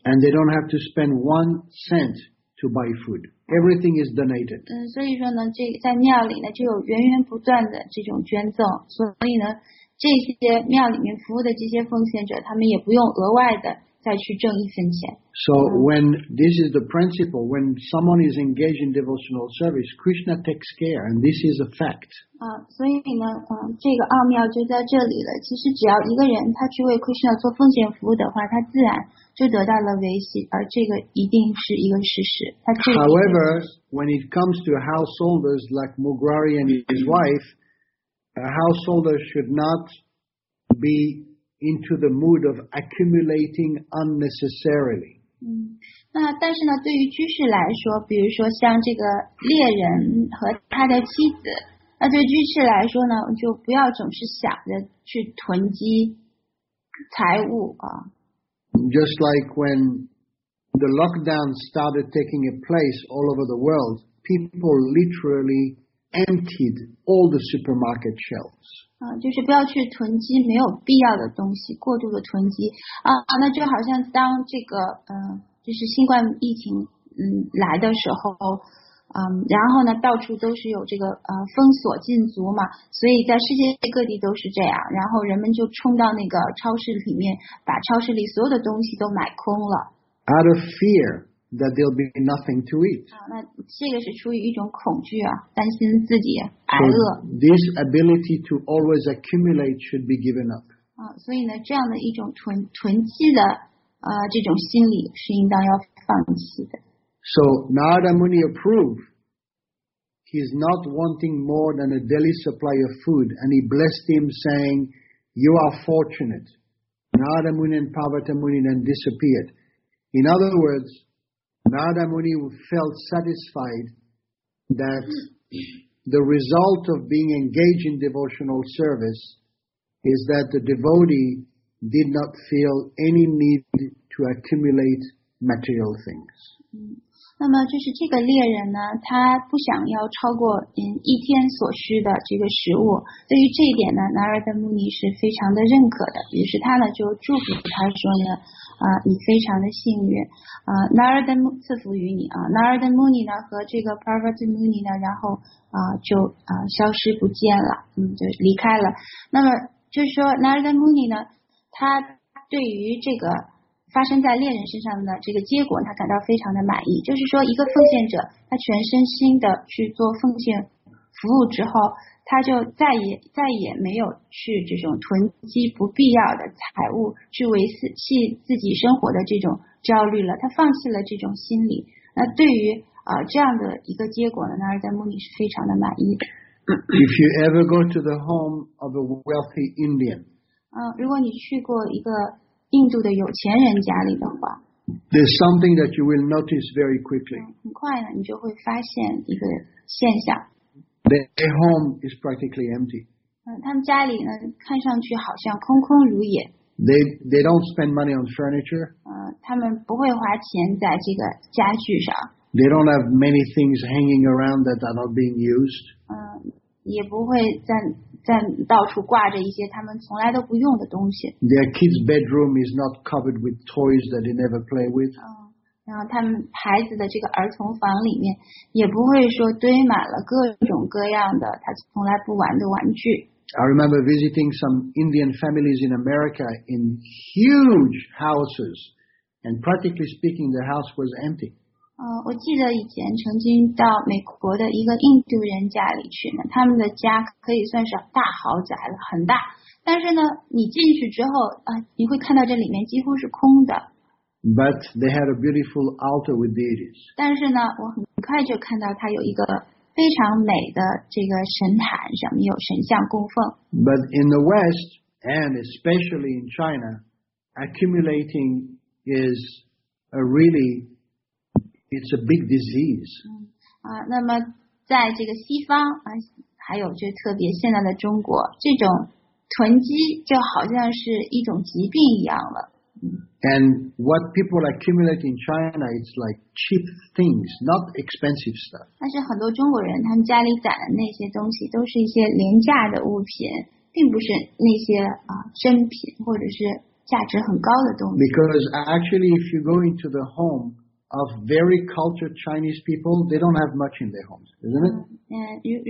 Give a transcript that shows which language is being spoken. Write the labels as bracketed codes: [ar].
[en] And they don't have to spend 1 cent to buy food. Everything is donated. [zh] 所以说呢，这在庙里呢就有源源不断的这种捐赠，所以呢，这些庙里面服务的这些奉献者，他们也不用额外的再去挣一分钱。 [en] So when this is the principle, when someone is engaged in devotional service, Krishna takes care, and this is a fact. [zh] 所以呢，这个奥妙就在这里了。其实只要一个人他去为 Krishna 做奉献服务的话，他自然就得到了维系，而这个一定是一个事实。 [en] However, when it comes to householders like Mugrari and his wife, a householder should not be into the mood of accumulating unnecessarily. [zh] 那但是呢，对于居士来说，比如说像这个猎人和他的妻子，那对居士来说呢，就不要总是想着去囤积财物啊。 [en] Just like when the lockdown started taking a place all over the world, people literally emptied all the supermarket shelves. [zh] 就是不要去囤积没有必要的东西，过度的囤积啊。那就好像当这个就是新冠疫情来的时候，然后呢到处都是有这个封锁禁足嘛，所以在世界各地都是这样，然后人们就冲到那个超市里面，把超市里所有的东西都买空了。 [en] Out of fear that there'll be nothing to eat. [zh] 那这个是出于一种恐惧啊，担心自己挨饿。 [en] So this ability to always accumulate should be given up. [zh] 所以呢这样的一种囤积的这种心理是应当要放弃的。 [en] So Narada Muni approved. He is not wanting more than a daily supply of food, and he blessed him, saying, "You are fortunate." Narada Muni and Parvati Muni then disappeared. In other words, Narada Muni felt satisfied that the result of being engaged in devotional service is that the devotee did not feel any need to accumulate material things. [zh] 那么就是这个猎人呢，他不想要超过一天所需的这个食物。对于这一点呢，南尔的穆尼是非常的认可的。于是他呢就祝福他说呢，你非常的幸运，南尔的穆赐福于你啊。南尔的穆尼呢和这个帕瓦蒂穆尼呢，然后消失不见了，就离开了。那么就是说南尔的穆尼呢，他对于这个发生在猎人身上的这个结果他感到非常的满意，就是说一个奉献者他全身心的去做奉献服务之后，他就再也没有去这种囤积不必要的财物去维系自己生活的这种焦虑了，他放弃了这种心理。那对于这样的一个结果呢，那尔达穆尼是非常的满意的。 [en] If you ever go to the home of a wealthy Indian, [zh] 如果你去过一个印度的有钱人家里的话， [en] There's something that you will notice very quickly. [zh] 很快呢，你就会发现一个现象。 [en] Their home is practically empty. [zh] 他们家里呢，看上去好像空空如也。 [en] They don't spend money on furniture. [zh] 他们不会花钱在这个家具上。 [en] They don't have many things hanging around that are not being used. [zh] 也不会在到处挂着一些他们从来都不用的东西。 [en] Their kids' bedroom is not covered with toys that they never play with. [zh] 然后他们孩子的这个儿童房里面也不会说堆满了各种各样的他从来不玩的玩具。 [en] I remember visiting some Indian families in America in huge houses, and practically speaking, the house was empty. [zh] 我记得以前曾经到美国的一个印度人家里去呢，他们的家可以算是大豪宅了，很大。但是呢，你进去之后啊，你会看到这里面几乎是空的。 [en] But they had a beautiful altar with deities. [zh] 但是呢，我很快就看到他有一个非常美的这个神坛，上面有神像供奉。 [en] But in the West and especially in China, accumulating is a really It's a big disease. [zh] 那么在这个西方还有就特别现在的中国，这种囤积就好像是一种疾病一样了。 [en] And what people accumulate in China, it's like cheap things, not expensive stuff. [zh] 但是很多中国人他们家里攒的那些东西都是一些廉价的物品，并不是那些珍品或者是价值很高的东西。 [en] Because actually, if you go into the home of very cultured Chinese people, they don't have much in their homes, isn't it?